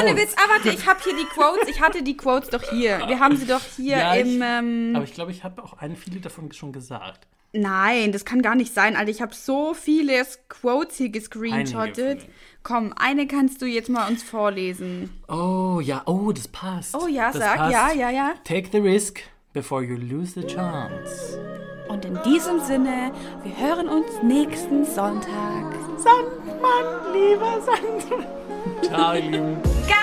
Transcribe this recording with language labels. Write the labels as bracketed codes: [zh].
[de] Ohne Witz, aber warte, ich habe hier die Quotes. Ich hatte die Quotes doch hier. Wir haben sie doch hier ja, im. Aber ich glaube, ich habe auch viele davon schon gesagt. Nein, das kann gar nicht sein, Alter. Ich habe so viele Quotes hier gescreenshottet. Komm, eine kannst du jetzt mal uns vorlesen. Oh ja, oh, das passt. Oh ja, das sag, passt. Ja. [en] Take the risk before you lose the chance. [de] Und in diesem Sinne, wir hören uns nächsten Sonntag. Sandmann, lieber Sandmann. Ciao, ihr Lieben.